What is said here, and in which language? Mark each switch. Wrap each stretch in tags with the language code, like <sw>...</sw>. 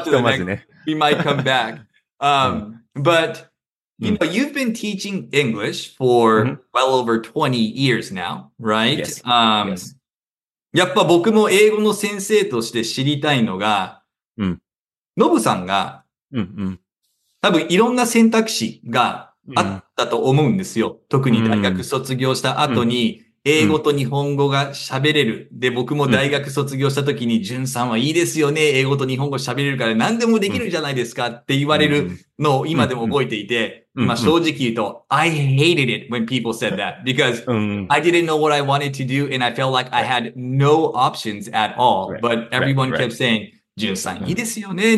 <ja>とりあえずね、ここで行く。そうね、とりあえずね、ひとまずね。</ja> <en>We might come back. But... You know, you've been teaching English for well over 20 years now, right?</en> <ja>やっぱ僕も英語の先生として知りたいのが、ノブさんが多分いろんな選択肢があったと思うんですよ。特に大学卒業した後に英語と日本語が喋れる。で、僕も大学卒業した時に、ジュンさんはいいですよね。英語と日本語喋れるから何でもできるじゃないですかって言われるのを今でも覚えていて、 まあ正直言うと</ja> <en>I hated it when people said that because I didn't know what I wanted to do and I felt like I had no options at all. But everyone kept saying, "Jun-san,</en> <ja>いいですよね。</ja>